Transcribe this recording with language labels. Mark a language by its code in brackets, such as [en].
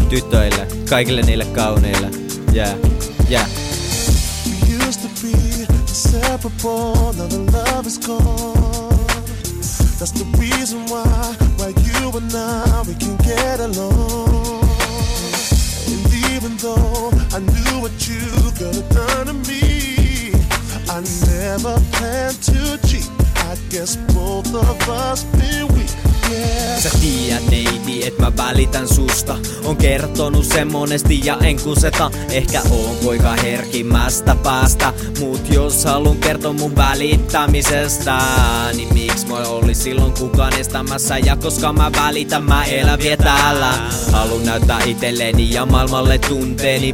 [fi] Tytöille, kaikille niille kauniille. Jee, yeah. [en] Jee, yeah. We used to be inseparable, now the love is gone. That's the reason why you and I, we can get along. And even though I knew what you could have done to me, I never planned to cheat. I guess both of us been weak. Yeah. [fi] Sä tiedät, neiti, et mä välitän susta. On kertonut sen monesti ja en kuseta. Ehkä oon poika herkimmästä päästä. Mut jos haluun kertoa mun välittämisestä, niin miks moi oli silloin kukaan estämässä? Ja koska mä välitän, mä elävien täällä. Haluun näyttää itelleni ja maailmalle tunteeni.